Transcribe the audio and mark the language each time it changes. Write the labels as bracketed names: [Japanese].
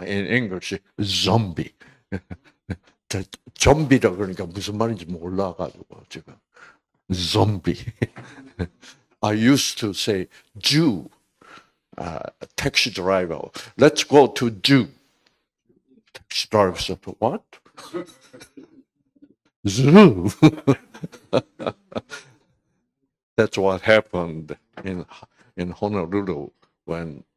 [English] In English, 좀비. [Korean] 좀비라 그러니까 무슨 말인지 몰라가지고 지금 좀비. [English] I used to say Jew, taxi driver. Let's go to Jew. Taxi driver said, "What? Zoo." That's what happened in Honolulu when